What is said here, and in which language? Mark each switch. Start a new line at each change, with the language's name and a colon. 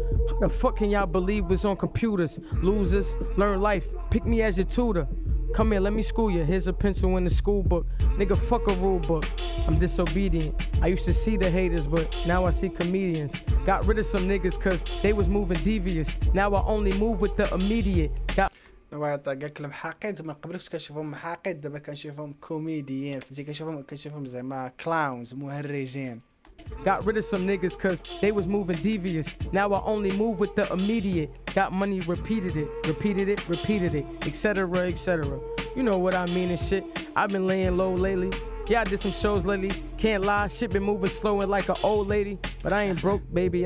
English: How the fuck can y'all believe what's on computers? Losers, learn life. Pick me as your tutor. Come here, let me school you. Here's a pencil in the school book. Nigga, fuck a rule book. I'm disobedient. I used to see the haters, but now I see comedians. Got rid of some niggas cause they was moving devious. Now I only move with the immediate.
Arabic: نوايط قالك المحاقد من قبل كنت كنشوفهم محاقد دابا كنشوفهم كوميديين فهمتي كنشوفهم زعما كلاونز مهرجين.
English: Got rid of some niggas cause they was moving devious. Now I only move with the immediate. Got money, repeated it, etc. etc. You know what I mean and shit. I've been laying low lately. Yeah, I did some shows lately. Can't lie, shit been moving slow and like an old lady. But I ain't broke, baby.